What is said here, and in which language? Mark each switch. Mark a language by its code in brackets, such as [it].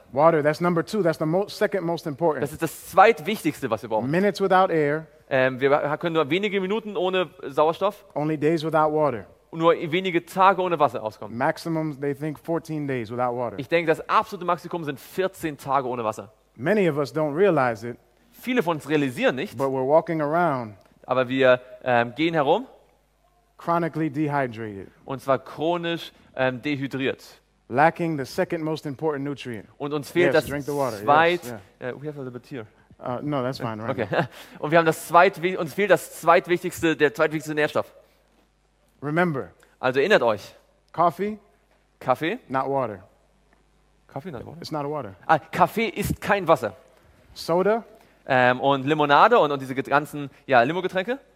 [en] Water, that's number two. That's the second most important. [de] Das ist das zweitwichtigste, was wir brauchen. [en] Minutes without air. [de] Wir können nur wenige Minuten ohne Sauerstoff. [en] Only days without water. [de] Nur wenige Tage ohne Wasser auskommen. [en] Maximum, they think 14 days without water. [de] Ich denke, das absolute Maximum sind 14 Tage ohne Wasser. [en] Many of us don't realize it. [de] Viele von uns realisieren nicht. [en] But we're walking around. [de] Aber wir gehen herum. [en] Chronically dehydrated. [de] Und zwar chronisch dehydriert. [en] Lacking the second most important nutrient. [de] Und uns fehlt [en] yes, [de] das [en] drink the water. [de] Zweit. [en] Yes, yeah. We have a little bit here. No, that's fine. Right okay. Now. [de] Und wir haben das uns fehlt das zweitwichtigste, der zweitwichtigste Nährstoff. [en] Remember. [de] Also erinnert euch. [en] Coffee. [de] Kaffee. [en] Not water. Coffee not water. It's not water. [de] Ah, Kaffee ist kein Wasser. [en] Soda. [de] Und Limonade und diese ganzen ja Limo-Getränke.